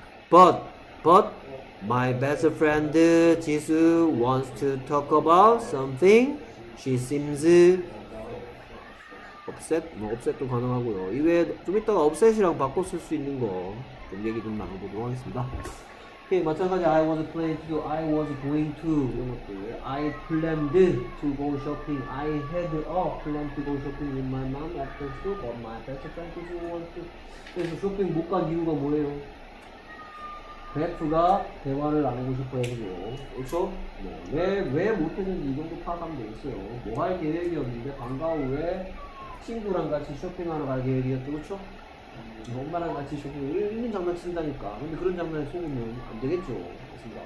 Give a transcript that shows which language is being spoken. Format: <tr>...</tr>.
<en>But my best friend Jisoo wants to talk about something. She seems upset.</en> <ko>뭐 upset도 가능하고요. 이외에 좀 이따가 upset이랑 바꿔 쓸 수 있는 거 좀 얘기 좀 나눠보도록 하겠습니다. 오케이, 마찬가지</ko> <en>I was planning to, I was going to</en> <ko>이런 것들.</ko> <en>I planned to go shopping. I had a plan to go shopping with my mom after school, but my best friend didn't want to.</en> <ko>그래서 쇼핑 못 간 이유가 뭐예요? 베프가 대화를 나누고 싶어 해서요. 그렇죠? 네. 왜 못했는지 이 정도 파악하면 되겠어요. 뭐 할 계획이었는데 방과 후에 친구랑 같이 쇼핑하러 갈 계획이었죠. 그렇죠? 엄마랑 같이 쇼핑을 있는 장난친다니까. 근데 그런 장난에 속으면 안 되겠죠. 그렇습니다.</ko>